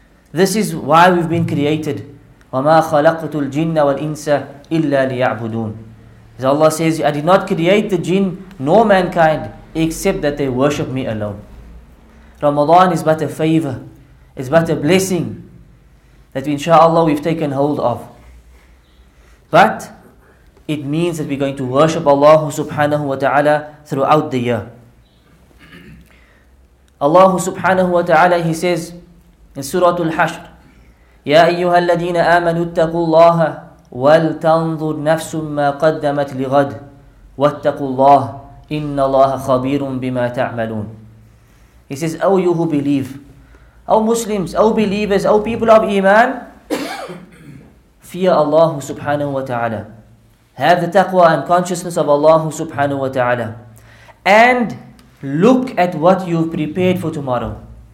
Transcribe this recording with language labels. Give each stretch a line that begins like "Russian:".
English: This is why we've been created.
Arabic: وَمَا خَلَقْتُ الْجِنَّ وَالْإِنسَ إِلَّا لِيَعْبُدُونَ.
English: As Allah says, I did not create the jinn nor mankind except that they worship me alone. Ramadan is but a favor, it's but a blessing that inshallah we've taken hold of. But it means that we're going to worship Allah subhanahu wa ta'ala throughout the year. Allah subhanahu wa ta'ala, He says in Surah Al-Hashr,
Arabic: يا أيها الذين آمنوا اتقوا الله ولتنظر نفس ما قدمت لغد واتقوا الله إن الله خبير بما تعملون.
English: He says, O you who believe, O Muslims, O believers, O people of Iman, fear Allah subhanahu wa ta'ala. Have the taqwa and consciousness of Allah subhanahu wa ta'ala. And look at what you've prepared for tomorrow.